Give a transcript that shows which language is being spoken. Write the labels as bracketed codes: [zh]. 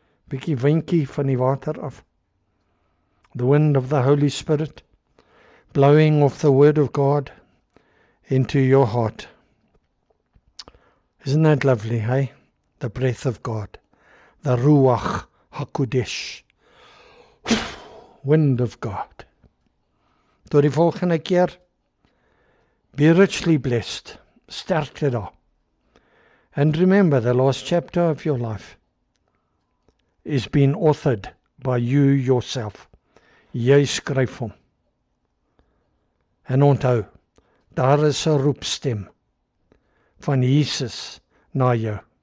[af] Bietjie windjie van die water af. [en] The wind of the Holy Spirit blowing off the word of God into your heart. Isn't that lovely, hey? The breath of God. The Ruach HaKodesh. Wind of God. [af] Tot die volgende keer. [en] Be richly blessed. [af] Sterkte daar. [en] And remember, the last chapter of your life is being authored by you yourself. [af] Jy skryf hom. En onthou, daar is 'n roepstem van Jesus na jou.